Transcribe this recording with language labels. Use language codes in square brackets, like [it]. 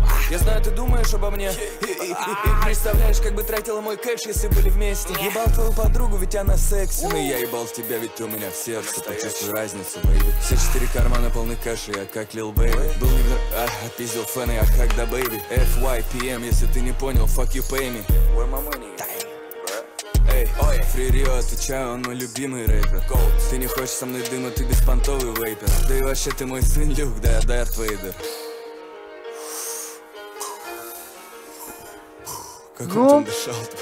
[ru] Я знаю, ты думаешь обо мне. Представляешь, как бы тратила мой кэш, если были вместе. Ебал твою подругу, ведь она секси. Но я ебал тебя, ведь ты у меня в сердце. Почувствую разницу, бэйби. Все четыре кармана полны кэша, я как Лил Бэйби. Был не в... отпиздил фэна, я как да бэйби. [en] FYPM, [ru] если ты не понял, [en] fuck you, pay me. Where my money? [ru] Ой, Фри Рио, отвечаю, он мой любимый рэпер. Ты не хочешь со мной дыма, ты беспонтовый вейпер. Да и вообще, ты мой сын Люк, да я Дарт Вейдер. Как он там дышал?